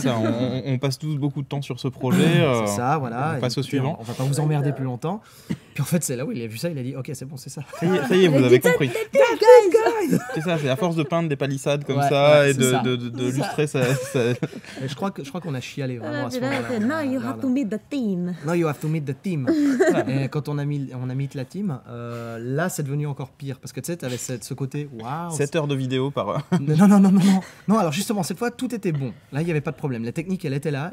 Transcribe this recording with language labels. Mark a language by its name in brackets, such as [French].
[French] C'est ça, on passe tous beaucoup de temps sur ce projet, c'est ça, voilà. On passe au suivant. On va pas vous emmerder plus longtemps. Puis en fait, c'est là où il a vu ça, il a dit ok, c'est bon, c'est ça. Ça y est, vous avez compris. Guys. C'est ça, c'est à force de peindre des palissades comme et de lustrer ça. Ça... Mais je crois qu'on a chialé vraiment à ce moment-là. [English] Now you have to meet the team. [French] Et quand on a mis la team, là, c'est devenu encore pire parce que tu sais, t'avais ce côté waouh. 7 heures de vidéo par heure. Non, alors justement, cette fois, tout était bon. Là, il n'y avait pas de problème. La technique, elle était là.